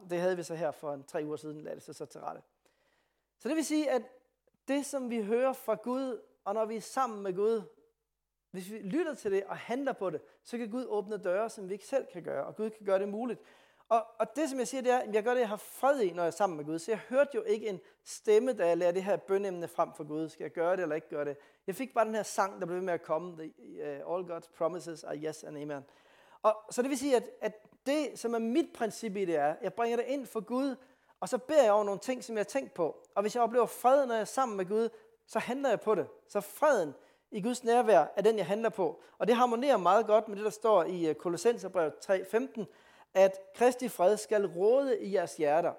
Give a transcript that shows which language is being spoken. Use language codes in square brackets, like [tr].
[da] Det havde vi så her for 3 uger siden, lad det sig så til rette. Så det vil sige, at det, som vi hører fra Gud, og når vi er sammen med Gud, hvis vi lytter til det og handler på det, så kan Gud åbne døre, som vi ikke selv kan gøre, og Gud kan gøre det muligt. Og det, som jeg siger, det er, at jeg gør det, jeg har fred i, når jeg er sammen med Gud. Så jeg hørte jo ikke en stemme, da jeg lagde det her bønemne frem for Gud. Skal jeg gøre det eller ikke gøre det? Jeg fik bare den her sang, der blev med at komme. [en] All God's promises are yes and amen. [da] Og så det vil sige, at det, som er mit princip i det, er, jeg bringer det ind for Gud, og så beder jeg over nogle ting, som jeg har tænkt på. Og hvis jeg oplever fred, når jeg er sammen med Gud, så handler jeg på det. Så freden i Guds nærvær er den, jeg handler på. Og det harmonerer meget godt med det, der står i Kolossenserbrevet 3:15, at Kristi fred skal råde i jeres hjerter.